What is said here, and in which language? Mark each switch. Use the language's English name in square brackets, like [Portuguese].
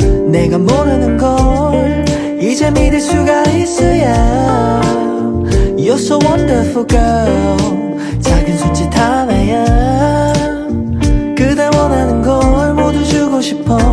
[Korean] 내가 모르는 걸 이제 믿을 수가 있어야. [English] You're so wonderful girl. [Korean] 작은 손짓 하나야 그대 원하는 걸 모두 주고 싶어.